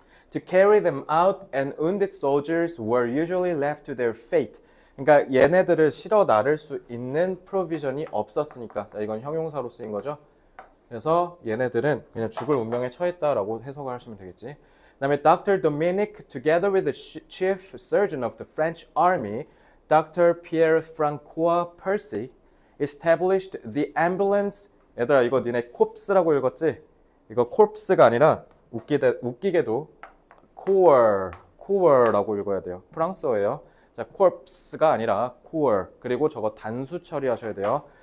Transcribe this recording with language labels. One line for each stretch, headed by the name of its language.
English: To carry them out and wounded soldiers were usually left to their fate.
Korean: 그러니까 얘네들을 실어 나를 수 있는 provision이 없었으니까. 이건 형용사로 쓰인 거죠. 그래서 얘네들은 그냥 죽을 운명에 처했다라고 해석을 하시면 되겠지. 그다음에 Dr.
English: Dominic together with the chief surgeon of the French army, Dr. Pierre Francois Percy established the ambulance.
Korean: 얘들아 이거 니네 콥스라고 읽었지? 이거 콥스가 아니라 웃기게도 코어라고 읽어야 돼요. 프랑스어예요. 자, 콥스가 아니라 코어. 그리고 저거 단수 처리하셔야 돼요.